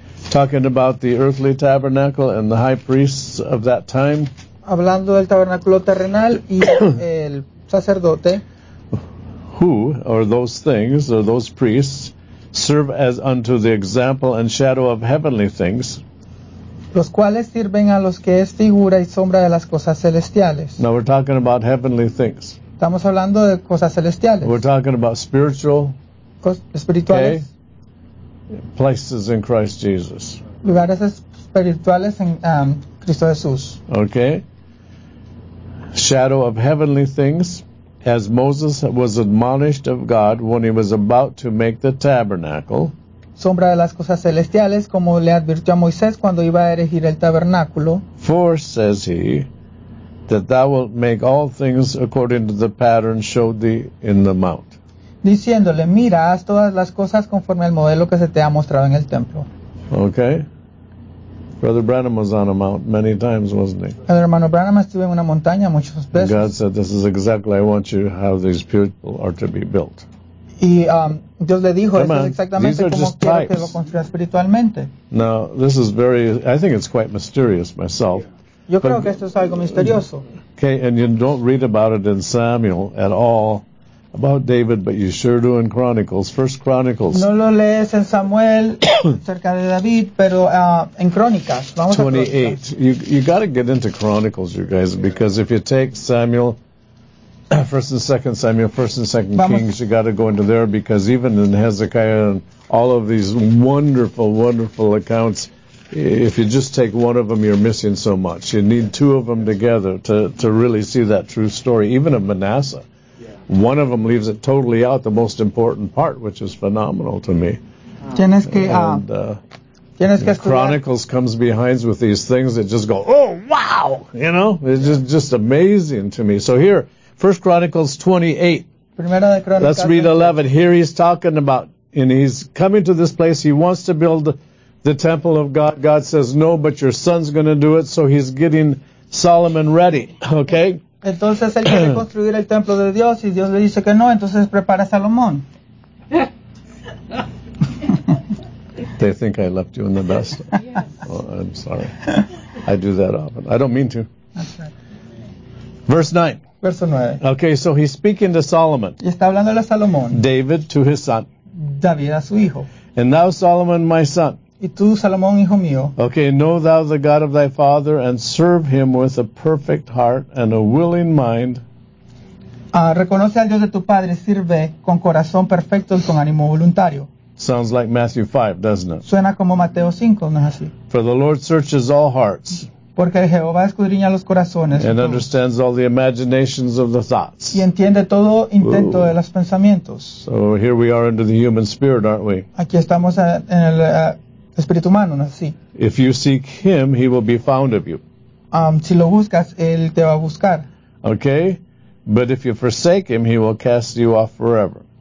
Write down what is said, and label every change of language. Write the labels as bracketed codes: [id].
[en] Talking about the earthly tabernacle and the high priests of that time. [es] Hablando del tabernáculo terrenal y el sacerdote. [en] Who are those things, or those priests, serve as unto the example and shadow of heavenly things. [es] Los cuales sirven a los que es figura y sombra de las cosas celestiales. [en] Now we're talking about heavenly things. [es] Estamos hablando de cosas celestiales. [en] We're talking about spiritual. [es] Espirituales. [en] Okay, places in Christ Jesus. [es] Lugares espirituales en Cristo Jesús. [en] Okay. shadow of heavenly things, as Moses was admonished of God when he was about to make the tabernacle. [es] Sombra de las cosas celestiales, como le advirtió a Moisés cuando iba a erigir el tabernáculo. [en] For, says he, that thou wilt make all things according to the pattern showed thee in the mount. [es] Diciéndole, mira, haz todas las cosas conforme al modelo que se te ha mostrado en el templo. [en] Okay. Brother Branham was on a mount many times, wasn't he? [es] El hermano Branham estuvo en una montaña muchas veces. [en] And God said, this is exactly I want you how these people are to be built. [es] Y Dios le dijo, esto es exactamente como quiero [en] types. [es] Que lo construya espiritualmente. [en] Now, this is very, I think it's quite mysterious myself. [es] Yo creo que esto es algo misterioso. [en] Okay, and you don't read about it in Samuel at all. About David, but you sure do in Chronicles. First Chronicles. [es] No lo lees en Samuel, cerca de David, pero en Crónicas. [en] 28. You got to get into Chronicles, you guys, because if you take Samuel, First and Second Samuel, First and Second Kings, you got to go into there, because even in Hezekiah and all of these wonderful, wonderful accounts, if you just take one of them, you're missing so much. You need two of them together to really see that true story, even of Manasseh. One of them leaves it totally out, the most important part, which is phenomenal to me. [es] Tienes que, and tienes que [en] Chronicles [es] estudiar. [en] Comes behind with these things that just go, oh, wow, you know? It's just amazing to me. So here, 1 Chronicles 28, [es] Primera de Crónicas, [en] let's read 11. Here he's talking about, and he's coming to this place, he wants to build the temple of God. God says, no, but your son's going to do it, so he's getting Solomon ready, okay? [es] Entonces él quiere construir el templo de Dios y Dios le dice que no, entonces prepara a Salomón. [en] They think I left you in the dust. Yes. Oh, I'm sorry. I do that often. I don't mean to. That's right. Verse 9. [es] Verso 9. [en] Okay, so he's speaking to Solomon. [es] Y está hablando a Salomón. [en] David to his son. [es] David a su hijo. [en] And thou, Solomon, my son. [es] Y tú, Salomón, hijo mío. [en] Okay, know thou the God of thy father and serve him with a perfect heart and a willing mind. [es] Reconoce al Dios de tu padre, sirve con corazón perfecto y con ánimo voluntario. [en] Sounds like Matthew 5, doesn't it? [es] Suena como Mateo 5, ¿no es así? [en] For the Lord searches all hearts. [es] Porque Jehová escudriña los corazones. [en] And understands all the imaginations of the thoughts. [es] Y entiende todo intento de los pensamientos. [en] So here we are under the human spirit, aren't we? [es] Aquí estamos en el... Espíritu humano, ¿no? Sí. [en] If you seek him, he will be found of you. [es] Si lo buscas, él te va a buscar. [en] Okay? But if you forsake him, he will cast you off forever.